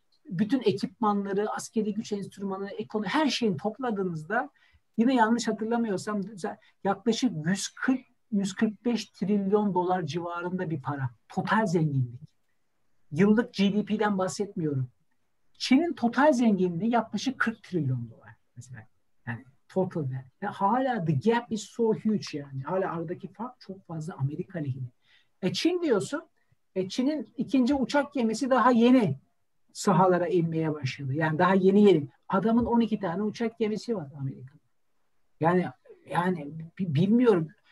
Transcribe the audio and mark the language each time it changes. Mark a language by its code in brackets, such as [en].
[tr] Bütün ekipmanları, askeri güç enstrümanı, ekonomi, her şeyin topladığınızda yine yanlış hatırlamıyorsam yaklaşık 140-145 trilyon dolar civarında bir para. Total zenginlik. Yıllık GDP'den bahsetmiyorum. Çin'in total zenginliği yaklaşık 40 trilyon dolar mesela. Yani [en] total wealth. [tr] Yani hala [en] the gap is so huge [tr] yani. Hala aradaki fark çok fazla Amerika lehine. Çin diyorsun, Çin'in ikinci uçak gemisi daha yeni sahalara inmeye başladı. Yani daha yeni yeni. Adamın 12 tane uçak gemisi var Amerika'da. Yani bilmiyorum.